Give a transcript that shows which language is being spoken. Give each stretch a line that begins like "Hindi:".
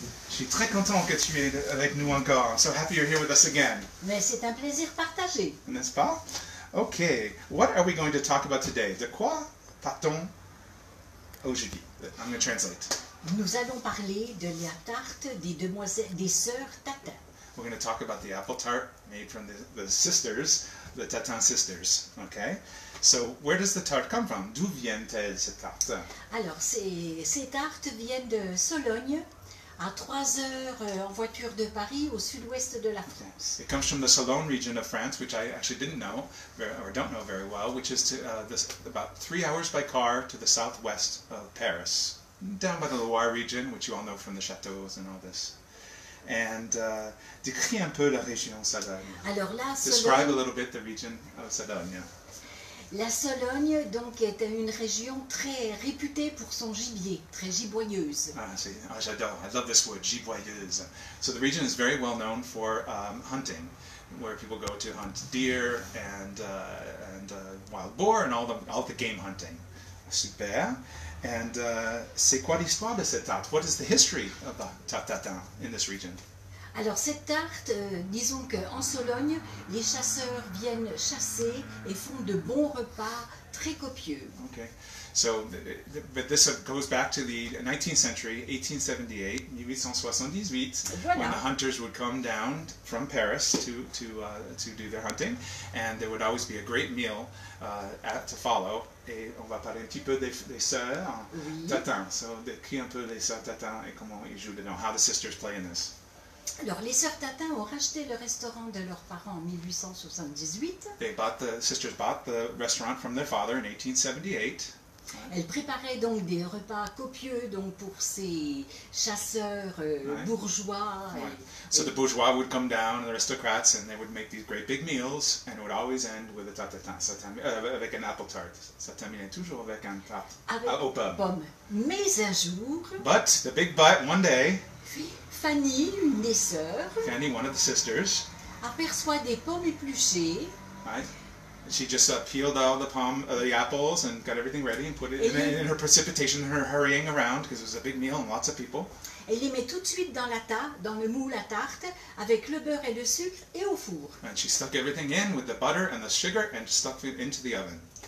French: Je suis très content que tu es avec nous encore.
English: So happy you're here with us again.
French: Mais c'est un plaisir partagé. N'est-ce pas?
English: Okay, what are we going to talk about today?
French: De quoi parle-t-on aujourd'hui?
English: I'm going to translate.
French: Nous allons parler de la tarte des demoiselles, des sœurs Tatin.
English: We're going to talk about the apple tarte made from the sisters, the Tatin sisters. Okay? So, where does the tarte come from?
French: D'où viennent-elles, ces tartes? Alors, ces tartes viennent de Sologne. À 3 heures en voiture de Paris, au sud-ouest de la France.
English: It comes from the Sologne region of France, which I actually didn't know, or don't know very well, which is about 3 hours by car to the southwest of Paris, down by the Loire region, which you all know from the châteaux and all this.
French: And décris un peu la région Sologne. Alors là,
English: describe a little bit the region of Sologne. Yeah.
French: La Sologne, donc, est une région très réputée pour son gibier, très giboyeuse. Ah, j'adore.
English: I love this word, giboyeuse. So the region is very well known for hunting, where people go to hunt deer and wild boar and all the game hunting. Super. And
French: c'est quoi l'histoire de cette tarte?
English: What is the history of the tarte tatin in this region?
French: Alors cette tarte, disons qu'en Sologne, les chasseurs viennent chasser et font de bons repas très copieux.
English: Okay. So, but this goes back to the 19th century, 1878,
French: voilà.
English: When the hunters would come down from Paris to do their hunting, and there would always be a great meal to follow.
French: Et on va parler un petit peu des sœurs oui. Tatin. So, décris un peu les sœurs Tatin et comment ils jouent dedans,
English: how the sisters play in this.
French: Alors, les sœurs Tatin ont racheté le restaurant de leurs parents en 1878.
English: They bought the sisters bought the restaurant from their father in 1878.
French: Elle préparait donc des repas copieux donc pour ces chasseurs bourgeois.
English: Right. So the bourgeois would come down, the aristocrats, and they would make these great big meals, and it would always end with a tatin, avec un apple tart.
French: Ça terminait toujours avec un tarte au pub. Mais un jour.
English: But the big but, one day.
French: Fanny, une des sœurs.
English: Fanny, one of the sisters.
French: Aperçoit des pommes épluchées.
English: Right. She just peeled all the palm, the apples, and got everything ready and put it in her precipitation, her hurrying around, because it was a big meal and lots of people.
French: Elle les met tout de suite dans la tarte, dans le moule à tarte, avec le beurre et le sucre, et au four.
English: And she stuck everything in with the butter and the sugar and stuck it into the oven.